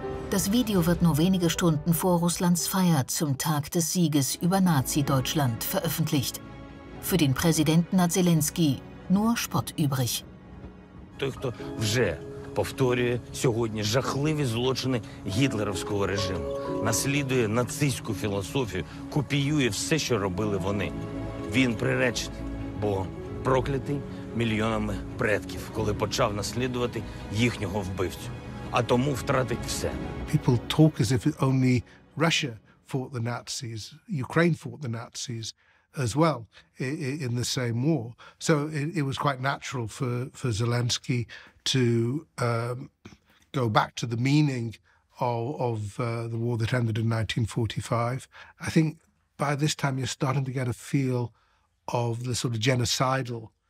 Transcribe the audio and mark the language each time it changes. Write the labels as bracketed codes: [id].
[de] Das Video wird nur wenige Stunden vor Russlands Feier zum Tag des Sieges über Nazi-Deutschland veröffentlicht. Für den Präsidenten hat Selenskyj nur Spott übrig. [uk] Той, хто вже повторює сьогодні жахливі злочини гітлерівського режиму, наслідує нацистську філософію, копіює все, що робили вони. Він приречений, бо проклятий мільйонами предків, коли почав наслідувати їхнього вбивцю, а тому втратить все. [en] People talk as if only Russia fought the Nazis, Ukraine fought the Nazis as well in the same war. So it was quite natural for Zelensky to go back to the meaning of the war that ended in 1945. I think by this time you're starting to get a feel of the sort of genocidal